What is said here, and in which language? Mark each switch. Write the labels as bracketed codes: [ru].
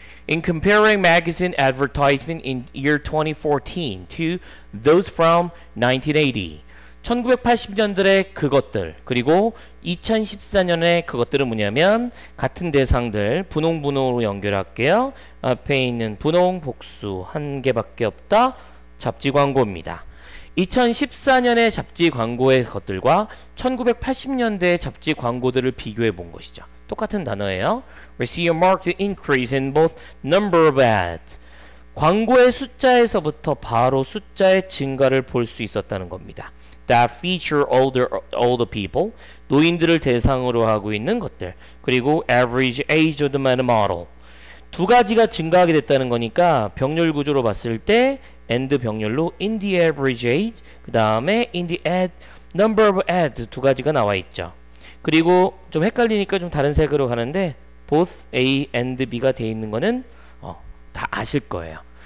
[en] In comparing magazine advertisement in year 2014 to those from 1980, [ko] 1980년들의 그것들 그리고 2014년의 그것들은 뭐냐면 같은 대상들 분홍 분홍으로 연결할게요. 앞에 있는 분홍 복수 한 개밖에 없다. 잡지 광고입니다. 2014년의 잡지 광고의 것들과 1980년대의 잡지 광고들을 비교해 본 것이죠. 똑같은 단어예요. [en] We see a marked increase in both number of ads. [ko] 광고의 숫자에서부터 바로 숫자의 증가를 볼 수 있었다는 겁니다. [en] That feature older people, [ko] 노인들을 대상으로 하고 있는 것들, [en] 그리고 average age of the male model. [ko] 두 가지가 증가하게 됐다는 거니까 병렬 구조로 봤을 때 and 병렬로 [en] in the average age, [ko] 그 다음에 in the ad, [en] number of ads [ko] 두 가지가 나와 있죠. 그리고 좀 헷갈리니까 좀 다른 색으로 가는데 both A and B가 되어 있는 거는 다 아실 거예요.